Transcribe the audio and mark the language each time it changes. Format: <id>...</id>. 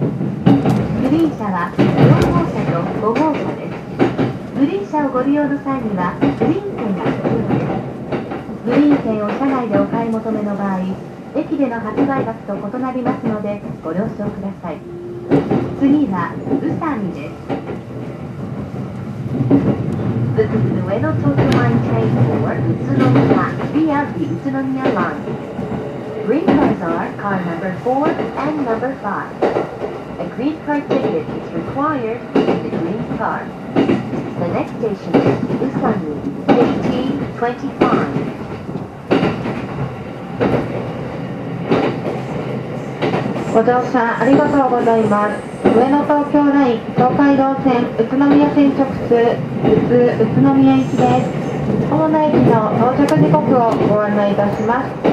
<ja>グリーン車は4号車と5号車です。グリーン車をご利用の際にはグリーン券が必要です。グリーン券を車内でお買い求めの場合、駅での発売額と異なりますのでご了承ください。次は宇佐美です。</ja> <en>This is the 上野東京 line train for 宇都宮 via the 宇都宮 line. Green cars are car number 4 and number 5. A green car ticket is required in the green car. The next station is 宇佐美 1825.</en> <ja>ご乗車ありがとうございます。上野東京ライン東海道線宇都宮線直通普通宇都宮行きです。主な駅の到着時刻をご案内いたします。</ja>